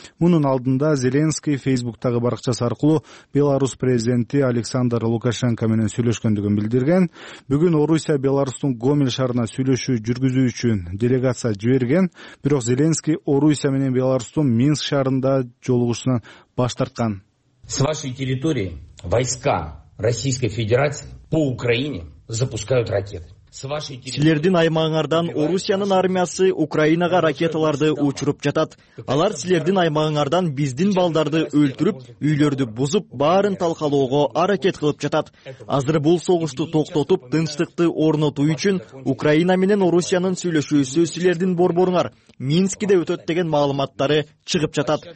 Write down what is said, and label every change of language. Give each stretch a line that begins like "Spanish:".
Kyrgyz: Мунун алдында Зеленский Facebook-тагы баракчасы аркылуу Беларусь президенти Александр Лукашенко менен сүйлөшкөндүгүн билдирген. Бүгүн Орусия Беларусьтун Гомель шаарына сүйлөшүү жүргүзүү үчүн делегация жиберген, бирок Зеленский Орусия менен Беларусьтун Минск шаарында жолугушуунан баш тарткан.
Russian: С вашей территории войска Российской Федерации по Украине запускают ракеты.
Kyrgyz: Силердин аймагыңардан Орусиянын армиясы Украинага ракеталарды учуруп жатат. Алар силердин аймагыңардан биздин балдарды өлтүрүп, үйлөрдү бузуп, баарын талкалоого аракет кылып жатат. Азыр бул согушту токтотуп, тынчтыкты орнотуу үчүн Украина менен Орусиянын сүйлөшүүсү силердин борборуңар Минскиде өтөт деген маалыматтары чыгып жатат.